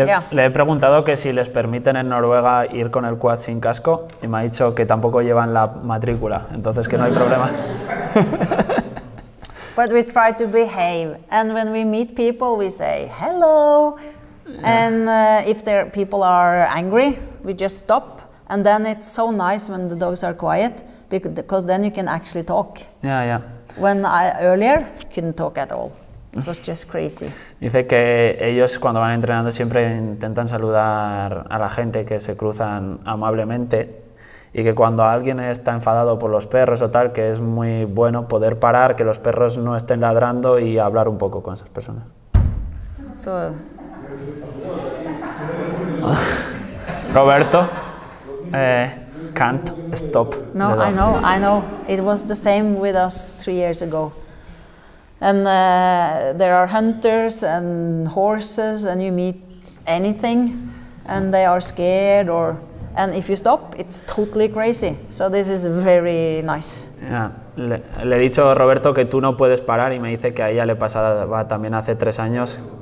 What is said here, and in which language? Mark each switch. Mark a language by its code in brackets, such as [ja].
[es] Le he preguntado que si les permiten en Noruega ir con el quad sin casco y me ha dicho que tampoco llevan la matrícula, entonces que no hay problema. [en] But we try to behave, and when we meet people we say hello, yeah, and if there people are angry we just stop, and then it's so nice when the dogs are quiet because then you can actually talk. Yeah, yeah. When I earlier couldn't talk at all. It was just crazy. [es] Dice que ellos cuando van entrenando siempre intentan saludar a la gente que se cruzan amablemente y que cuando alguien está enfadado por los perros o tal, que es muy bueno poder parar, que los perros no estén ladrando y hablar un poco con esas personas. [en] So. Roberto, can't stop. No, I know, I know. It was the same with us 3 years ago. And there are hunters and horses and you meet anything and they are scared or... And if you stop, it's totally crazy. So this is very nice. Yeah. [es] Le he dicho a Roberto que tú no puedes parar y me dice que a ella le pasaba también hace 3 años.